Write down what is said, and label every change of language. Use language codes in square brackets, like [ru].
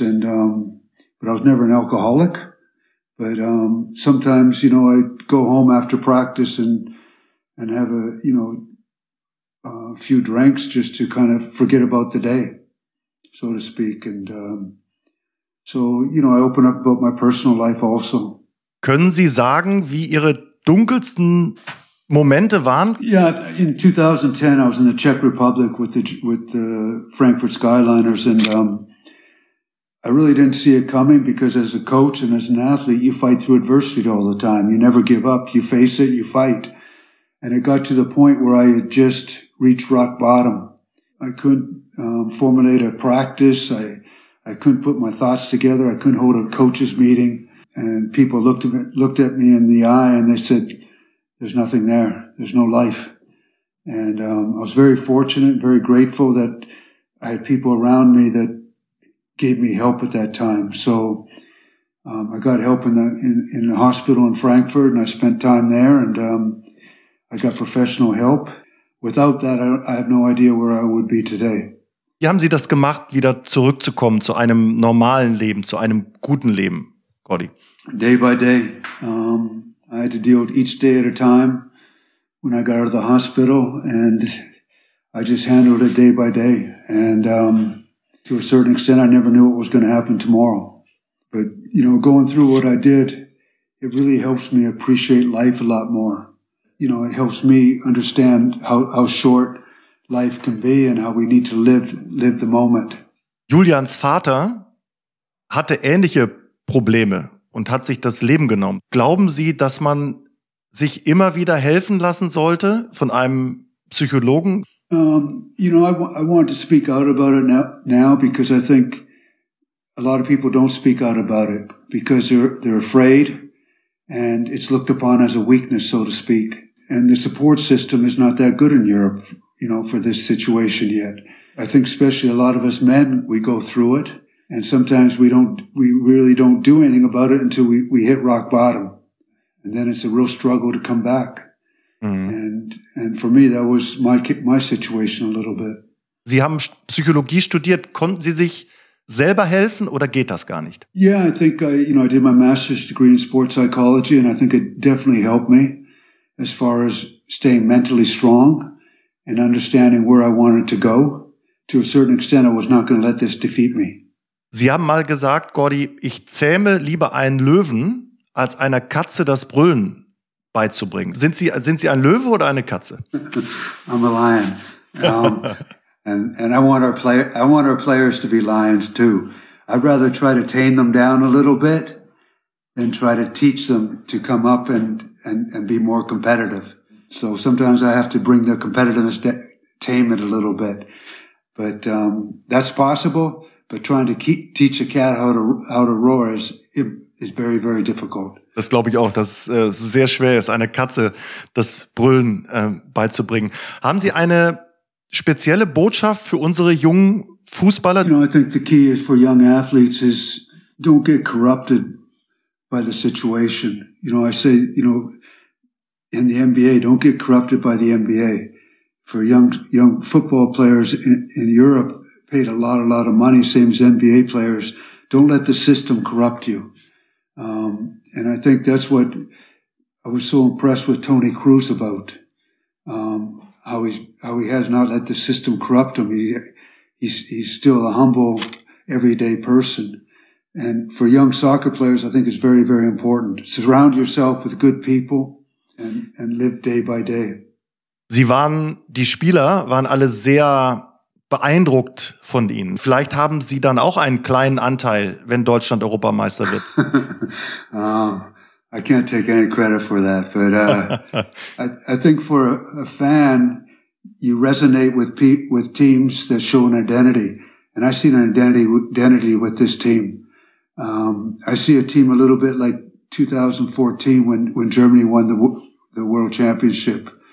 [en] But I was never an alcoholic. But sometimes, you know, I go home after practice and have a few drinks just to kind of forget about the day, so to speak. So I open up about my personal life also. [de] Können Sie sagen, wie Ihre dunkelsten Momente waren? [en] Yeah, in 2010, I was in the Czech Republic with the Frankfurt Skyliners and I really didn't see it coming because as a coach and as an athlete, you fight through adversity all the time. You never give up. You face it. You fight. And it got to the point where I had just reached rock bottom. I couldn't formulate a practice. I couldn't put my thoughts together. I couldn't hold a coach's meeting. And people looked at me in the eye and they said, there's nothing there. There's no life. And I was very fortunate, very grateful that I had people around me that gave me help at that time. So I got help in the hospital in Frankfurt and I spent time there and I got professional help. Without that, I have no idea where I would be today. [de] Wie haben Sie das gemacht, wieder zurückzukommen zu einem normalen Leben, zu einem guten Leben, Gordy? [en] Day by day. I had to deal with each day at a time when I got out of the hospital and I just handled it day by day. To a certain extent, I never knew what was going to happen tomorrow. But, you know, going through what I did, it really helps me appreciate life a lot more. You know, it helps me understand how short life can be and how we need to live the moment. [de] Julians Vater hatte ähnliche Probleme und hat sich das Leben genommen. Glauben Sie, dass man sich immer wieder helfen lassen sollte von einem Psychologen? [en] I want to speak out about it now because I think a lot of people don't speak out about it because they're afraid and it's looked upon as a weakness, so to speak. And the support system is not that good in Europe, you know, for this situation yet. I think especially a lot of us men, we go through it and sometimes we really don't do anything about it until we hit rock bottom. And then it's a real struggle to come back. And for me, that was my situation a little bit. [de] Sie haben Psychologie studiert. Konnten Sie sich selber helfen oder geht das gar nicht? [en] Yeah, I think I did my master's degree in sports psychology, and I think it definitely helped me as far as staying mentally strong and understanding where I wanted to go. To a certain extent, I was not going to let this defeat me. [de] Sie haben mal gesagt, Gordy, ich zähme lieber einen Löwen, als einer Katze das Brüllen beizubringen. Sind Sie ein Löwe oder eine Katze? [en] I'm a lion. I want our players to be lions too. I'd rather try to tame them down a little bit than try to teach them to come up and be more competitive. So sometimes I have to bring their competitiveness, tame it a little bit. But that's possible. But trying to teach a cat how to roar is very, very difficult. [de] Das glaube ich auch, dass es sehr schwer ist, einer Katze das Brüllen beizubringen. Haben Sie eine spezielle Botschaft für unsere jungen Fußballer? [en] You know, I think the key is for young athletes is don't get corrupted by the situation. You know, I say, you know, in the NBA, don't get corrupted by the NBA. For young football players in Europe, paid a lot of money, same as NBA players. Don't let the system corrupt you. And I think that's what I was so impressed with Tony Kroos about. How he has not let the system corrupt him. He's still a humble, everyday person. And for young soccer players, I think it's very, very important. Surround yourself with good people and live day by day. [de] Die Spieler waren alle sehr beeindruckt von Ihnen. Vielleicht haben Sie dann auch einen kleinen Anteil, wenn Deutschland Europameister wird. [en] I can't take any credit for that, but I think for a fan, you resonate with teams that show an identity. And I see an identity with this team. I see a team a little bit like 2014 when Germany won the World Championship.